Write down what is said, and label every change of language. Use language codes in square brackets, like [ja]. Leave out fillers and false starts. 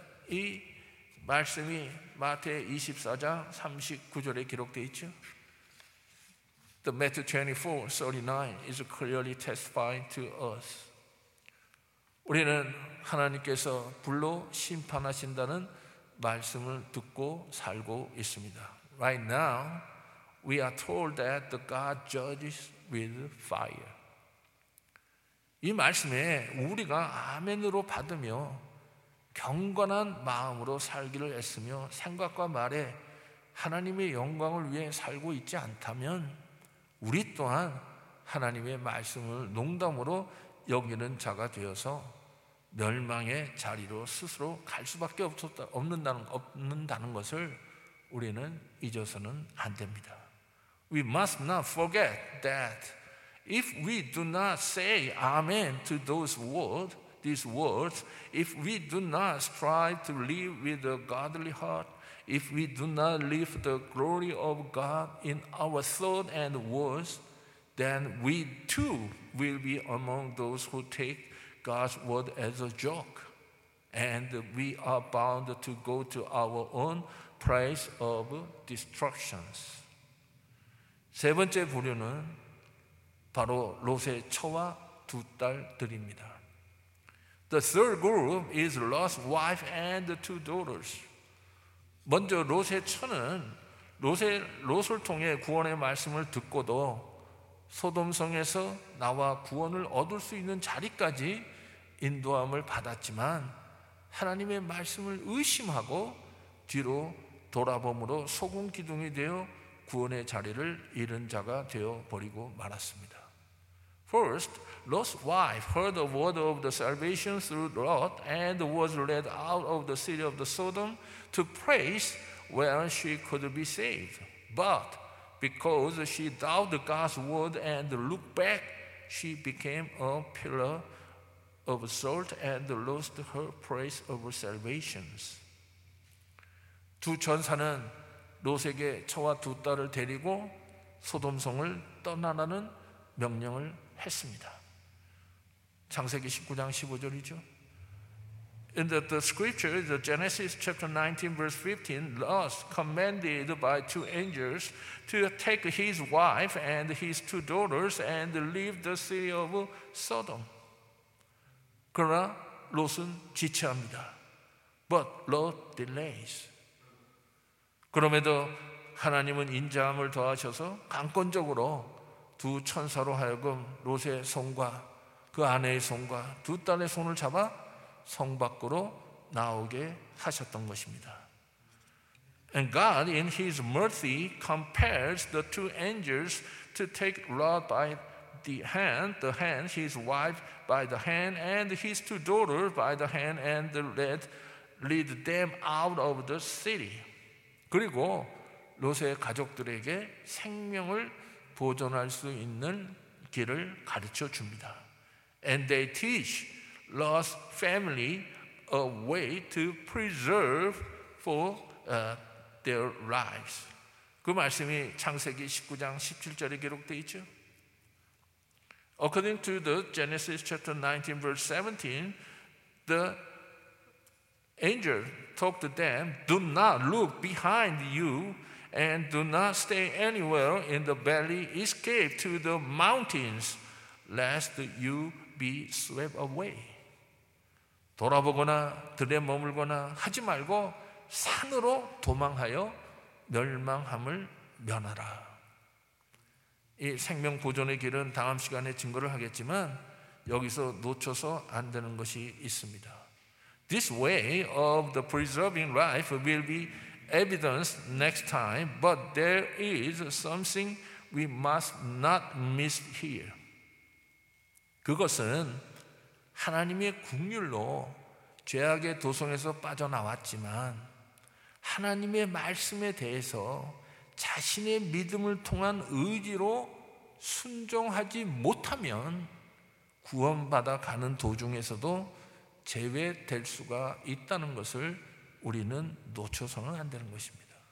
[ko] 이 말씀이 마태 24장 39절에 기록되어 있죠. [en] The Matthew 24:39 is clearly testifying to us. [ko] 우리는 하나님께서 불로 심판하신다는 말씀을 듣고 살고 있습니다. [en] Right now, we are told that the God judges with fire. [ko] 이 말씀에 우리가 아멘으로 받으며 경건한 마음으로 살기를 애쓰며 생각과 말에 하나님의 영광을 위해 살고 있지 않다면 우리 또한 하나님의 말씀을 농담으로 여기는 자가 되어서 멸망의 자리로 스스로 갈 수밖에 없는다는 것을 우리는 잊어서는 안 됩니다. [en] We must not forget that if we do not say amen to these words, if we do not strive to live with a godly heart, If we do not leave the glory of God in our thought and words, then we too will be among those who take God's word as a joke. And we are bound to go to our own price of destructions. [ko] 세 번째 부류는 바로 롯의 처와 두 딸들입니다. [en] The third group is Lot's wife and the two daughters. [ko] 먼저 롯의 처는 롯을 통해 구원의 말씀을 듣고도 소돔성에서 나와 구원을 얻을 수 있는 자리까지 인도함을 받았지만 하나님의 말씀을 의심하고 뒤로 돌아봄으로 소금 기둥이 되어 구원의 자리를 잃은 자가 되어버리고 말았습니다. [en] First, Lot's wife heard the word of the salvation through Lot and was led out of the city of the Sodom to place where she could be saved. But because she doubted God's word and looked back, she became a pillar of salt and lost her place of salvation. [ko] 두 천사는 롯에게 처와 두 딸을 데리고 소돔성을 떠나라는 명령을 했습니다. 창세기 19장 15절이죠. [en] In the scripture, the Genesis chapter 19 verse 15, Lot commanded by two angels to take his wife and his two daughters and leave the city of Sodom. [ko] 그러나 롯은 지체합니다. [en] But Lot delays. [ko] 그럼에도 하나님은 인자함을 더하셔서 강권적으로 두 천사로 하여금 롯의 손과 그 아내의 손과 두 딸의 손을 잡아 성 밖으로 나오게 하셨던 것입니다. [en] And God in his mercy compels the two angels to take Lot by the hand, his wife by the hand, and his two daughters by the hand, and lead them out of the city. [ko] 그리고 롯의 가족들에게 생명을 보존할 수 있는 길을 가르쳐 줍니다. [en] And they teach Lot's family a way to preserve for their lives. [ko] 그 말씀이 창세기 19장 17절에 기록되어 있죠. [en] According to the Genesis chapter 19 verse 17, the angel talked to them, "Do not look behind you and do not stay anywhere in the valley. Escape to the mountains, lest you be swept away." [ko] 돌아보거나 들에 머물거나 하지 말고 산으로 도망하여 멸망함을 면하라. 이 생명 보존의 길은 다음 시간에 증거를 하겠지만 여기서 놓쳐서 안 되는 것이 있습니다. [en] This way of the preserving life will be evidenced next time, but there is something we must not miss here. [ko] 그것은 하나님의 긍휼로 죄악의 도성에서 빠져나왔지만 하나님의 말씀에 대해서 자신의 믿음을 통한 의지로 순종하지 못하면 구원받아 가는 도중에서도 제외될 수가 있다는 것을 우리는 놓쳐서는 안 되는 것입니다.